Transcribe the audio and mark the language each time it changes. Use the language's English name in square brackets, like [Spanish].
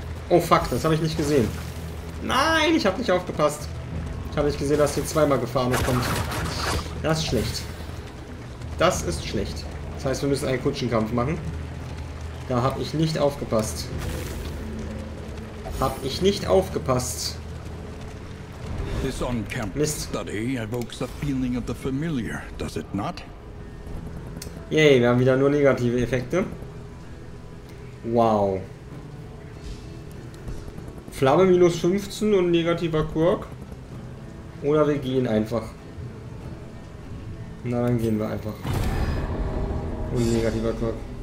[German] Oh fuck, das habe ich nicht gesehen. Nein, ich habe nicht aufgepasst. Ich habe nicht gesehen, dass hier zweimal Gefahr mitkommt. Das ist schlecht. Das ist schlecht. Das heißt, wir müssen einen Kutschenkampf machen. Da habe ich nicht aufgepasst. Habe ich nicht aufgepasst. [English] This on-camp study evokes a feeling of the familiar, does it not? [German] Yay, wir haben wieder nur negative Effekte. Wow. Flamme minus 15 und negativer Quirk. Oder wir gehen einfach. Na, dann gehen wir einfach. Und negativer Quirk.